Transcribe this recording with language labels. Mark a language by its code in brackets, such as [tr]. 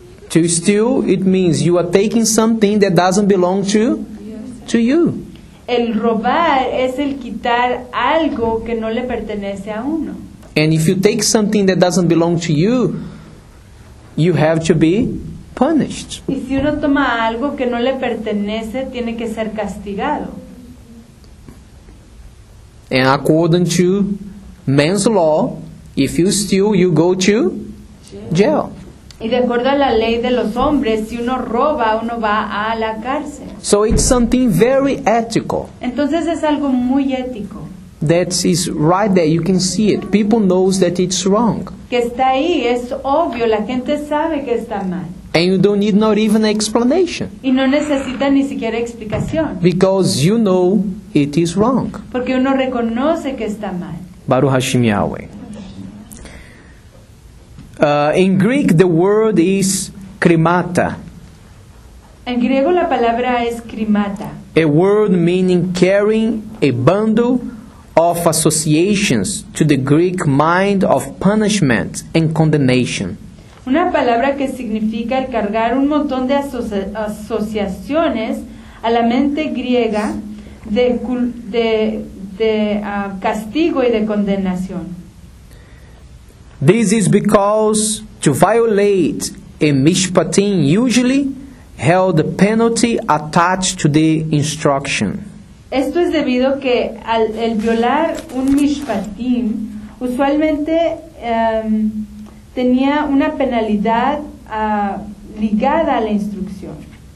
[en] To steal, it means you are taking something that doesn't belong to you. [es] El robar es el quitar algo que no le pertenece a uno. [en] And if you take something that doesn't belong to you, you have to be punished. [es] Y si uno toma algo que no le pertenece, tiene que ser castigado. [en] And according to man's law, if you steal, you go to jail. [es] Y de acuerdo a la ley de los hombres, si uno roba, uno va a la cárcel. [en] So it's something very ethical. [es] Entonces es algo muy ético. [en] That is right there, you can see it. People knows that it's wrong. [es] Que está ahí, es obvio, la gente sabe que está mal. [en] And you don't need not even an explanation. [es] Y no necesita ni siquiera explicación. [en] Because you know it is wrong. [es] Porque uno reconoce que está mal. [he] Baruch Hashem Yahweh. [en] In Greek, the word is krimata. [es] En griego, la palabra es krimata. [en] A word meaning carrying a bundle of associations to the Greek mind of punishment and condemnation. [es] Una palabra que significa el cargar un montón de asociaciones a la mente griega de castigo y de condenación. [en] This is because to violate a mishpatim usually held the penalty attached to the instruction. [es] Esto es debido que el violar un mishpatim usualmente tenía una penalidad ligada a la instrucción.